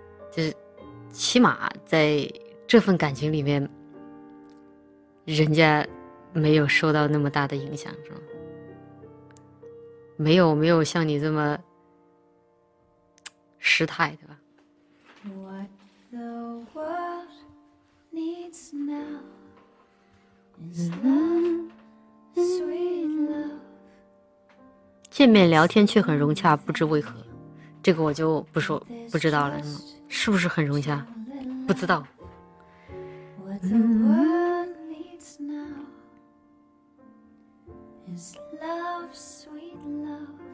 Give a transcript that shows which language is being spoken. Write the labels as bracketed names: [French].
[Chinese] 就是起码在这份感情里面，人家没有受到那么大的影响，是吗？没有像你这么失态，对吧？ [English] What the world needs now is love, sweet love. [Chinese] 见面聊天却很融洽，不知为何，这个我就不说，不知道了，是不是很融洽？不知道。 [English] What the world needs now is love, sweet love.